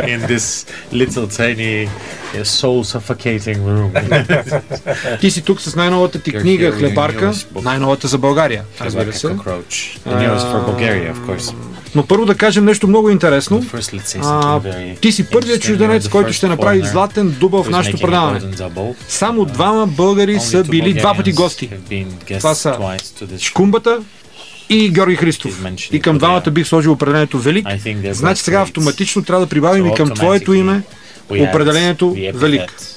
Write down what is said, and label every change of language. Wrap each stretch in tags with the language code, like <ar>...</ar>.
<en>In this little tiny soul suffocating room.</en> <bg>Ти си тук с най-новата ти книга Хлебарка, най-новата за България. Разбира се.</bg> <en>The newest for Bulgaria, of course.</en> <bg>Но първо да кажем нещо много интересно. Ти си първият чужденец, който ще направи златен дубъл в нашето предаване. Само двама българи са били два пъти гости. Това са Шкумбата и Георги Христов. И към двамата бих сложил определението Велик. Значи сега автоматично трябва да прибавим и към твоето име определението Велик.</bg>